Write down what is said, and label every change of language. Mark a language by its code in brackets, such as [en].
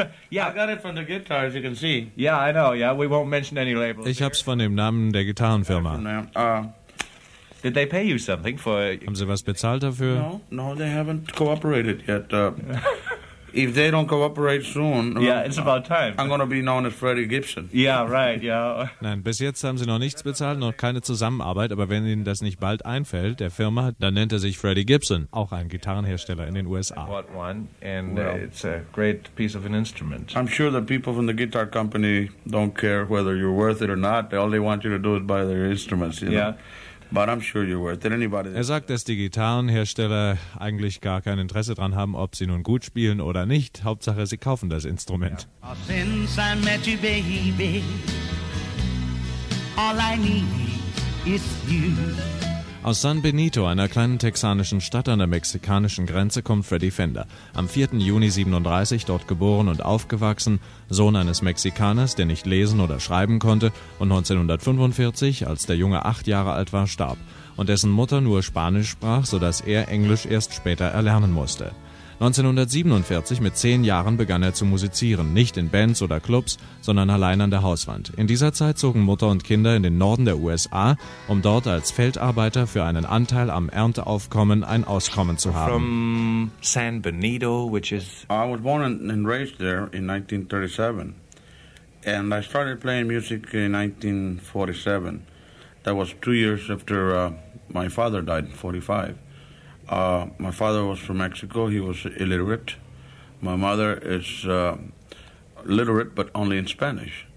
[en] Yeah, I got it from the guitar, as you can see. Yeah, I know. Yeah, we won't mention any labels. [de] Ich hab's von dem Namen der Gitarrenfirma. [en] Did they pay you something for... [de] Haben sie was bezahlt dafür? [en] No, they haven't cooperated yet. If they don't cooperate soon... Yeah, it's about time. I'm going to be known as Freddie Gibson. Yeah, right, yeah. [de] Nein, bis jetzt haben sie noch nichts bezahlt, noch keine Zusammenarbeit, aber wenn ihnen das nicht bald einfällt, der Firma, dann nennt er sich Freddie Gibson, auch ein Gitarrenhersteller in den USA. [en] What one, and it's a great piece of an instrument. I'm sure the people from the guitar company don't care whether you're worth it or not. All they want you to do is buy their instruments, you know? Yeah. But I'm sure you're worth it. Anybody. [de] Er sagt, dass die Gitarrenhersteller eigentlich gar kein Interesse dran haben, ob sie nun gut spielen oder nicht. Hauptsache, sie kaufen das Instrument. Yeah. [en] Since I met you, baby, all I need is you. [de] Aus San Benito, einer kleinen texanischen Stadt an der mexikanischen Grenze, kommt Freddie Fender. Am 4. Juni 37 dort geboren und aufgewachsen, Sohn eines Mexikaners, der nicht lesen oder schreiben konnte und 1945, als der Junge 8 Jahre alt war, starb und dessen Mutter nur Spanisch sprach, sodass er Englisch erst später erlernen musste. 1947, mit 10 Jahren, begann er zu musizieren, nicht in Bands oder Clubs, sondern allein an der Hauswand. In dieser Zeit zogen Mutter und Kinder in den Norden der USA, um dort als Feldarbeiter für einen Anteil am Ernteaufkommen ein Auskommen zu haben. [en] From San Benito, which is... I was born and raised there in 1937. And I started playing music in 1947. That was 2 years after my father died in 45. My father was from Mexico. He was illiterate. My mother is literate, but only in Spanish.